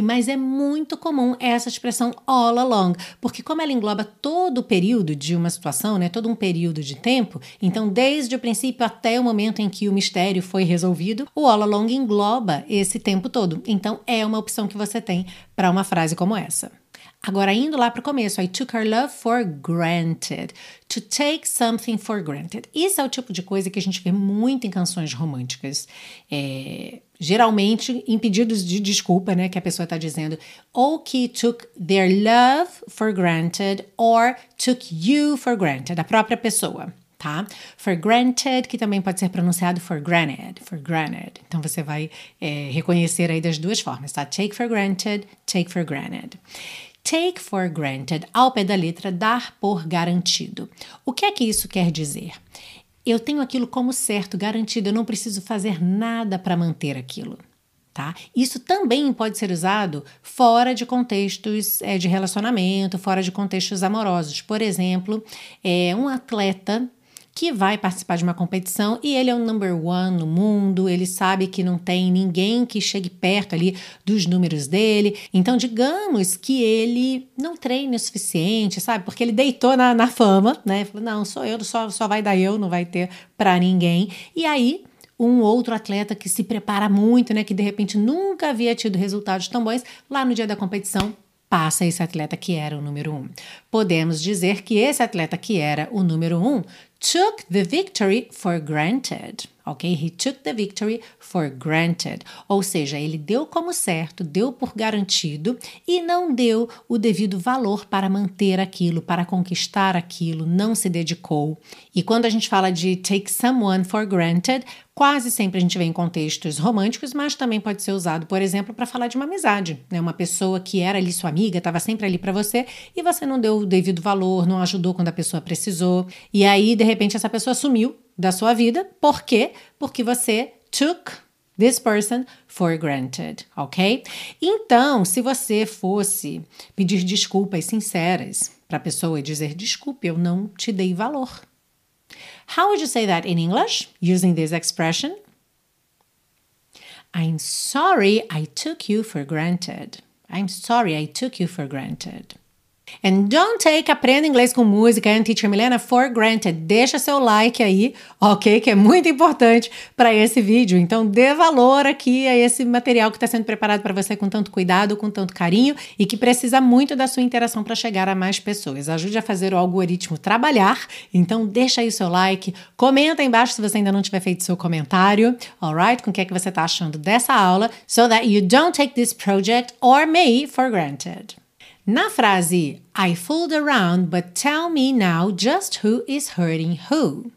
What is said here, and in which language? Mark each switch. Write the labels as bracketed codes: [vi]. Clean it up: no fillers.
[pt] Mas é muito comum essa expressão [en] all along, [pt] porque como ela engloba todo o período de uma situação, né, todo um período de tempo, então desde o princípio até o momento em que o mistério foi resolvido, o all along engloba esse tempo todo. Então é uma opção que você tem para uma frase como essa. Agora, indo lá para o começo, [en] I took our love for granted. To take something for granted. [pt] Isso é o tipo de coisa que a gente vê muito em canções românticas. Geralmente, em pedidos de desculpa, né? Que a pessoa está dizendo, ou que [en] took their love for granted, [pt] or took you for granted, a própria pessoa, tá? For granted, que também pode ser pronunciado [en] for granted, [pt] for granted. Então, você vai reconhecer aí das duas formas, tá? [en] Take for granted, take for granted. Take for granted, [pt] ao pé da letra, dar por garantido. O que é que isso quer dizer? Eu tenho aquilo como certo, garantido, eu não preciso fazer nada para manter aquilo, tá? Isso também pode ser usado fora de contextos de relacionamento, fora de contextos amorosos. Por exemplo, um atleta que vai participar de uma competição e ele é o [en] number one [pt] no mundo, ele sabe que não tem ninguém que chegue perto ali dos números dele. Então, digamos que ele não treine o suficiente, sabe? Porque ele deitou na fama, né? Falou, não, sou eu, só vai dar eu, não vai ter pra ninguém. E aí, um outro atleta que se prepara muito, né? Que, de repente, nunca havia tido resultados tão bons, lá no dia da competição, passa esse atleta que era o número um. Podemos dizer que esse atleta que era o número um [en] took the victory for granted, [pt] ok? [en] He took the victory for granted. [pt] Ou seja, ele deu como certo, deu por garantido e não deu o devido valor para manter aquilo, para conquistar aquilo, não se dedicou. E quando a gente fala de [en] take someone for granted, [pt] quase sempre a gente vê em contextos românticos, mas também pode ser usado, por exemplo, para falar de uma amizade, né? Uma pessoa que era ali sua amiga, estava sempre ali para você e você não deu o devido valor, não ajudou quando a pessoa precisou. E aí, de repente, essa pessoa sumiu da sua vida. Por quê? Porque você [en] took this person for granted, [pt] ok? Então, se você fosse pedir desculpas sinceras para a pessoa e dizer, desculpe, eu não te dei valor. [en] How would you say that in English, using this expression? I'm sorry I took you for granted. I'm sorry I took you for granted. And don't take Aprenda Inglês com Música and Teacher Milena for granted. [pt] Deixa seu like aí, ok? Que é muito importante para esse vídeo. Então, dê valor aqui a esse material que está sendo preparado para você com tanto cuidado, com tanto carinho e que precisa muito da sua interação para chegar a mais pessoas. Ajude a fazer o algoritmo trabalhar. Então, deixa aí seu like. Comenta aí embaixo se você ainda não tiver feito seu comentário. [en] Alright? [pt] Com o que é que você está achando dessa aula? [en] So that you don't take this project or me for granted. [pt] Na frase, [en] I fooled around, but tell me now just who is hurting who.